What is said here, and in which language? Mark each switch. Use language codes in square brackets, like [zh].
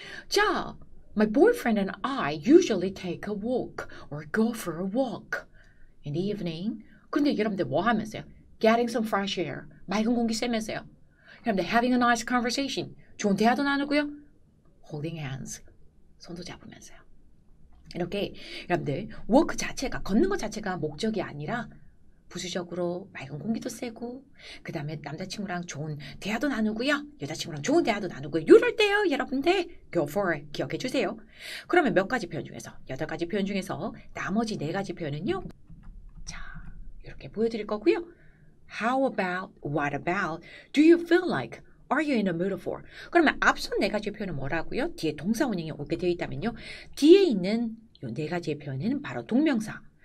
[en] 자, my boyfriend and I usually take a walk or go for a walk in the evening. [ko] 근데 여러분들 뭐 하면서요? [en] Getting some fresh air. [ko] 맑은 공기 쐬면서요. 여러분들 [en] having a nice conversation. [ko] 좋은 대화도 나누고요. [en] Holding hands. [ko] 손도 잡으면서요. 이렇게 여러분들 walk 자체가, 걷는 것 자체가 목적이 아니라 부수적으로 맑은 공기도 쐬고 그 다음에 남자친구랑 좋은 대화도 나누고요. 여자친구랑 좋은 대화도 나누고요. 이럴 때요. 여러분들 [en] go for it [ko] 기억해 주세요. 그러면 몇 가지 표현 중에서, 여덟 가지 표현 중에서 나머지 네 가지 표현은요. 자, 이렇게 보여드릴 거고요. [en] How about, what about, do you feel like, are you in a mood for? [ko] 그러면 앞선 네 가지 표현은 뭐라고요? 뒤에 동사 원형이 오게 되어 있다면요. 뒤에 있는 이 네 가지의 표현은 바로 동명사.